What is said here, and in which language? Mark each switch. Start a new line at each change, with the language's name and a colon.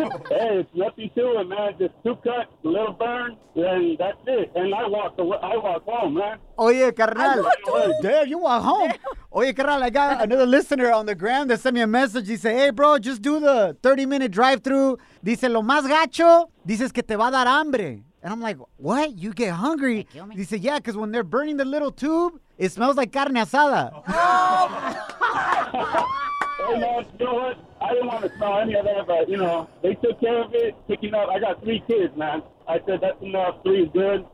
English: Hey, it's nothing to it, man. Just two cuts, a little burn, and that's it. And I walk home, man.
Spanish: Oye, carnal.
English: Damn, you walk home.
Spanish: Oye, carnal,
English: I got another listener on the gram that sent me a message. He said, hey, bro, just do the 30-minute drive-through.
Spanish: Dice, lo más gacho, dices que te va a dar hambre.
English: And I'm like, what? You get hungry? He said, yeah, because when they're burning the little tube, it smells like carne asada. Hey, man, you know what? I didn't want to smell any of that, but, you know, they took care of it, picking up. I got three kids, man. I said, that's enough. Three is good.